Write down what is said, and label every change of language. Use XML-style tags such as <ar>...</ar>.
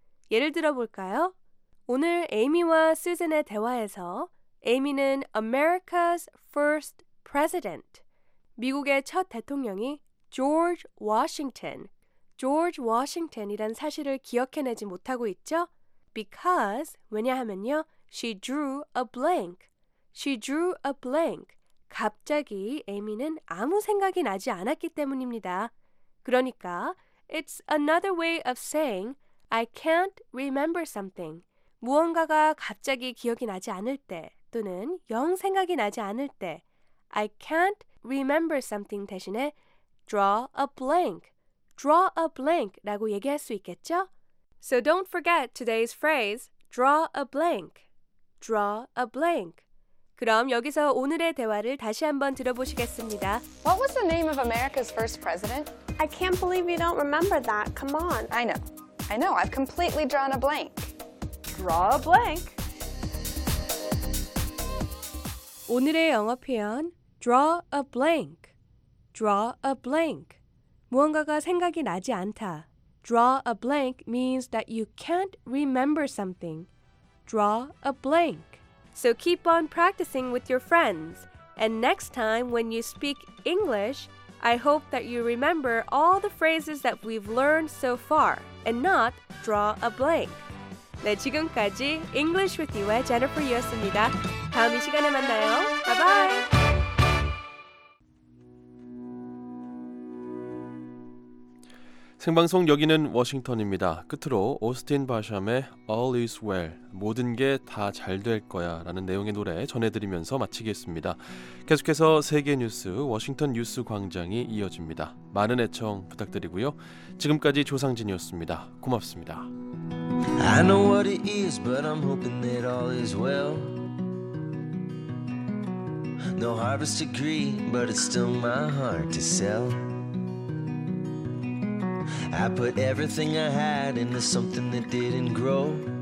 <ko>예를 들어볼까요? 오늘 에이미와 수잔의 대화에서 에이미는 America's first president, 미국의 첫 대통령이 George Washington이란 사실을 기억해내지 못하고 있죠?</ko> <en>Because,</en> <ko>왜냐하면요,</ko> <en>she drew a blank. She drew a blank.</en> <ko>갑자기 에이미는 아무 생각이 나지 않았기 때문입니다. 그러니까,</ko> <en>it's another way of saying, I can't remember something.</en> <ko>무언가가 갑자기 기억이 나지 않을 때, 또는 영 생각이 나지 않을 때,</ko> <en>I can't remember something</en> <ko>대신에 draw a blank. Draw a blank 라고 얘기할 수 있겠죠?</ko> <en>So don't forget today's phrase, draw a blank. Draw a blank.</en> <ko>그럼 여기서 오늘의 대화를 다시 한번 들어보시겠습니다.</ko> <en>What was the name of America's first president? I can't believe you don't remember that. Come on. I know. I've completely drawn a blank. Draw a blank.</en> <ko>오늘의 영어 표현,</ko> <en>draw a blank. Draw a blank.</en> <ko>무언가가 생각이 나지 않다.</ko> <en>Draw a blank means that you can't remember something. Draw a blank. So keep on practicing with your friends. And next time when you speak English, I hope that you remember all the phrases that we've learned so far and not draw a blank.</en> <ko>네, 지금까지 English with you의 Jennifer이었습니다. 다음 이 시간에 만나요.</ko> <en>Bye-bye!</en> <ko>Sing방송 여기는 워싱턴입니다. 끝으로 오스틴 바샴의 All is well, 모든 게 다 잘 될 거야 라는 내용의 노래 전해드리면서 마치겠습니다. 계속해서 세계 뉴스 워싱턴 뉴스 광장이 이어집니다. 많은 애청 부탁드리고요. 지금까지 조상진이었습니다. 고맙습니다.</ko> <en>I know what it is, but I'm hoping that all is well. No harvest to greet, but it's still my heart to sell. I put everything I had into something that didn't grow.</en>